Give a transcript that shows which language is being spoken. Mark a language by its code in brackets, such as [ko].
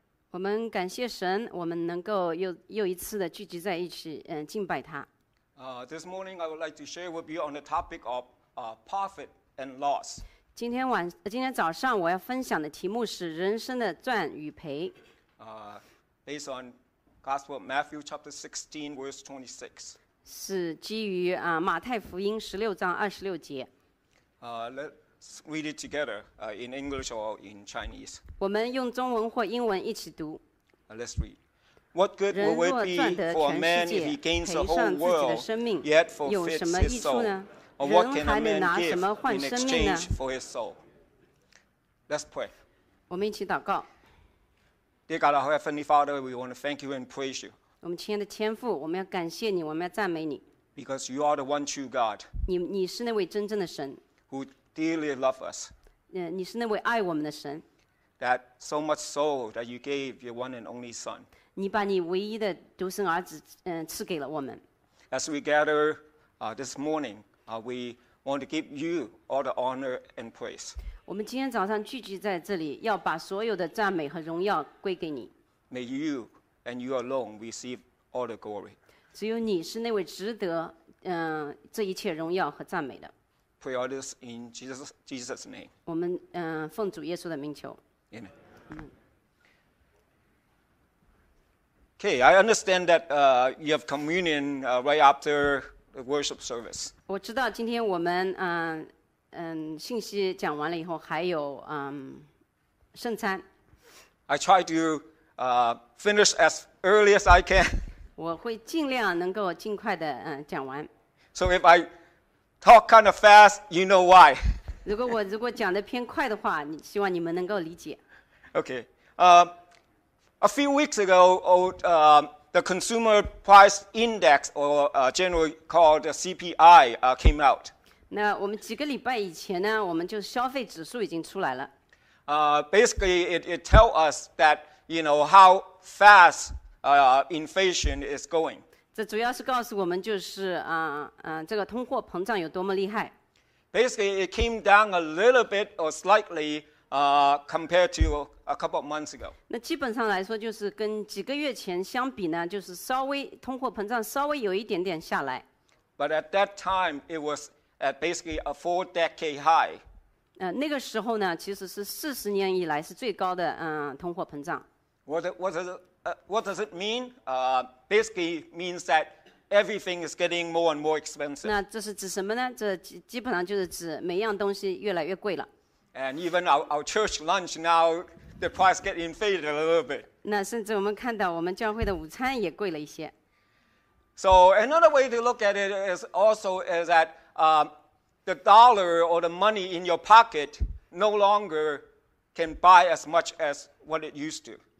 [zh] 我们感谢神，我们能够又一次的聚集在一起，敬拜他。 [en] This morning I would like to share with you on the topic of profit and loss. [zh] 今天早上我要分享的题目是人生的赚与赔。 [en] Based on Gospel of Matthew chapter 16 verse 26. [zh] 是基于马太福音十六章二十六节。 [en] Let's read it together in English or in Chinese. [zh] 我们用中文或英文一起读。 [en] Let's read. What good will it be for a man if he gains the whole world yet forfeits his soul? Or what can a man give in exchange for his soul? Let's pray. [zh] 我们一起祷告。 [en] Dear God, our Heavenly Father, we want to thank you and praise you. [zh] 我们亲爱的天父，我们要感谢你，我们要赞美你。 [en] Because you are the one true God. [zh] 你是那位真正的神。 [en] Who dearly love us. [zh] 你是那位爱我们的神。 [en] That so much so that you gave your one and only son. [zh] 你把你唯一的独生儿子赐给了我们。 [en] As we gather this morning, we want to give you all the honor and praise. [zh] 我们今天早上聚集在这里，要把所有的赞美和荣耀归给你。 [en] May you and you alone receive all the glory. [zh] 只有你是那位值得这一切荣耀和赞美的。 [en] Pray all this in Jesus' name. [zh] 我们奉主耶稣的名求。 [en] Amen. Okay, I understand that you have communion right after the worship service. [zh] 我知道今天我们信息讲完了以后还有圣餐。 [en] I try to finish as early as I can. [zh] 我会尽量能够尽快的讲完。 [en] So if I talk kind of fast, you know why. [zh] 如果讲得偏快的话，希望你们能够理解。 [en] Okay. A few weeks ago, the Consumer Price Index, or generally called the CPI, came out. [zh] 那我们几个礼拜以前呢，我们就消费指数已经出来了。 [en] Basically, it tells us that, you know, how fast inflation is going. [zh] 这主要是告诉我们，就是这个通货膨胀有多么厉害。 [en] Basically, it came down a little bit or slightly, compared to a couple of months ago. [zh] 那基本上来说，就是跟几个月前相比呢，就是稍微通货膨胀稍微有一点点下来。 [en] But at that time, it was at basically a four-decade high. [zh] 那个时候呢，其实是四十年以来是最高的通货膨胀。 [en] What does it mean? Basically means that everything is getting more and more expensive. [zh] 那这是指什么呢？这基本上就是指每样东西越来越贵了。 [en] And even our church lunch now, the price get inflated a little bit. [zh] 那甚至我们看到我们教会的午餐也贵了一些。 [en] So another way to look at it is that the dollar or the money in your pocket no longer can buy as much as what it used to.